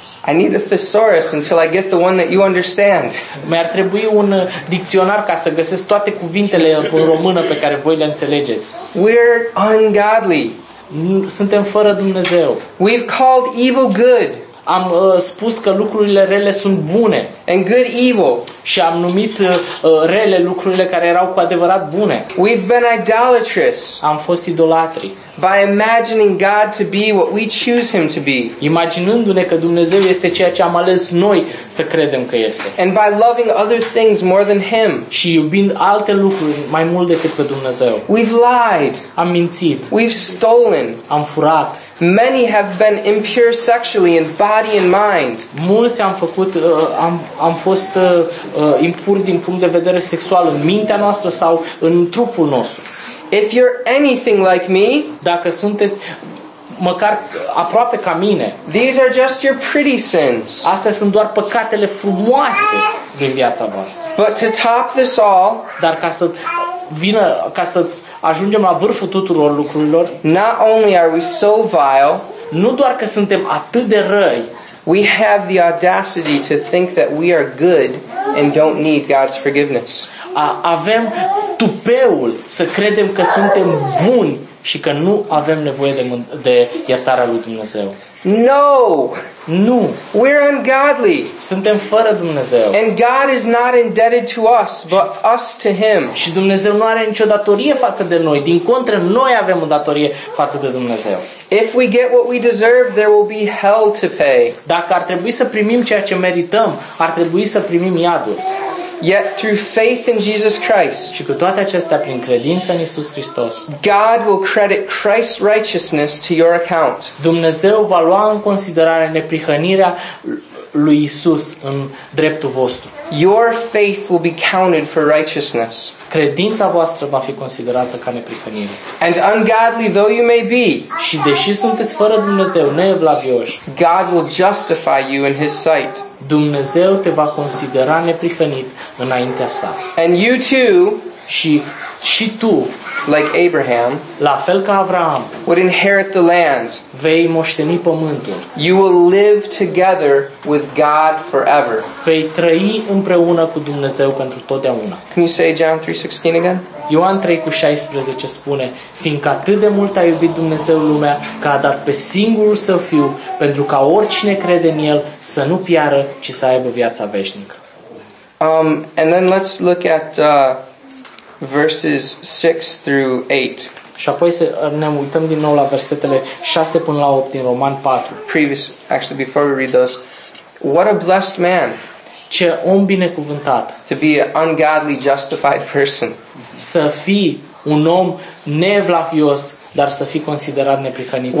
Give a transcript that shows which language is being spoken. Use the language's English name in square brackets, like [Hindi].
[English] I need a thesaurus until I get the one that you understand. [Romanian] Mi-ar trebui un dicționar ca să găsesc toate cuvintele în română pe care voi le înțelegeți. [English] We're ungodly. [Romanian] Suntem fără Dumnezeu. [English] We've called evil good. [Romanian] Am spus că lucrurile rele sunt bune. [English] And good evil. [Romanian] Și am numit rele lucrurile care erau cu adevărat bune. [English] We've been idolatrous. [Romanian] Am fost idolatri. [English] By imagining God to be what we choose him to be. [Romanian] Imaginându-ne că Dumnezeu este ceea ce am ales noi să credem că este. [English] And by loving other things more than him. [Romanian] Și iubind alte lucruri mai mult decât pe Dumnezeu. [English] We've lied. [Romanian] Am mințit. [English] We've stolen. [Romanian] Am furat. [English] Many have been impure sexually in body and mind. [Romanian] Mulți am făcut am fost impuri din punct de vedere sexual în mintea noastră sau în trupul nostru. [English] If you're anything like me, [Romanian] dacă sunteți măcar aproape ca mine, [English] these are just your pretty sins. [Romanian] Astea sunt doar păcatele frumoase din viața voastră. [English] But to top this all, [Romanian] dar ca să vină, ca să ajungem la vârful tuturor lucrurilor, [English] not only are we so vile, [Romanian] nu doar că suntem atât de răi, [English] we have the audacity to think that we are good and don't need God's forgiveness. [Romanian] Avem tupeul să credem că suntem buni și că nu avem nevoie de iertarea lui Dumnezeu. [English] No! [Romanian] Nu! [English] We're ungodly! [Romanian] Suntem fără Dumnezeu. [English] And God is not indebted to us, but us to him. [Romanian] Și Dumnezeu nu are nicio datorie față de noi. Din contră, noi avem o datorie față de Dumnezeu. [English] If we get what we deserve, there will be hell to pay. [Romanian] Dacă ar trebui să primim ceea ce merităm, ar trebui să primim iadul. [English] Yet through faith in Jesus Christ, [Romanian] și cu toate acestea, prin credința în Iisus Hristos, [English] God will credit Christ's righteousness to your account. [Romanian] Dumnezeu va lua în considerare neprihănirea lui Iisus în dreptul vostru. [English] Your faith will be counted for righteousness. [Romanian] Credința voastră va fi considerată ca neprihănire. [English] And ungodly though you may be, [Romanian] și deși sunteți fără Dumnezeu, neevlavioși, [English] God will justify you in his sight. [Romanian] Dumnezeu te va considera neprihănit înaintea sa. [English] And you too, [Romanian] și tu, [English] like Abraham, [Romanian] la fel ca Avraam, [English] would inherit the land. [Romanian] Vei moșteni pământul. [English] You will live together with God forever. [Romanian] Vei trăi împreună cu Dumnezeu pentru totdeauna. [English] Can you say John 3:16 again? [Romanian] Ioan 3:16 spune, fiindcă atât de mult a iubit Dumnezeu lumea, că a dat pe singurul său fiu, pentru ca oricine crede în el să nu piară, ci să aibă viața veșnică. [English] And then let's look at verses 6-8. [Romanian] Și apoi să ne uităm din nou la versetele 6 până la 8 din Roman 4. [English] Before we read those, what a blessed man. [Romanian] Ce om binecuvântat. [English] To be an ungodly justified person. [Romanian] Să fii un om neevlavios, dar să fii considerat neprihănit.